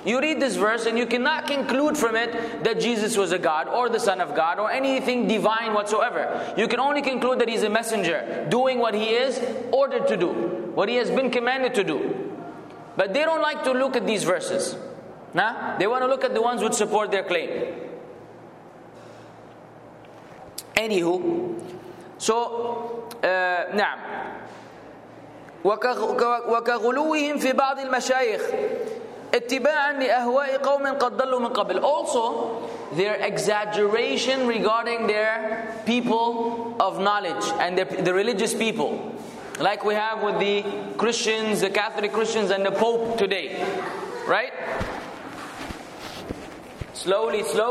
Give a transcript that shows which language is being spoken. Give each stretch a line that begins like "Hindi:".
English: You read this verse and you cannot conclude from it that Jesus was a God or the Son of God or anything divine whatsoever. You can only conclude that he's a messenger doing what he is ordered to do, what he has been commanded to do. But they don't like to look at these verses. Nah? They want to look at the ones which support their claim. Anywho, so
Arabic: نعم وكغلوهم في بعض المشايخ اتباعا لأهواء قوم قد ضلوا من قبل.
English: Also, their exaggeration regarding their people of knowledge and the religious people, like we have with the Christians, the Catholic Christians, and the Pope today, right? Slowly.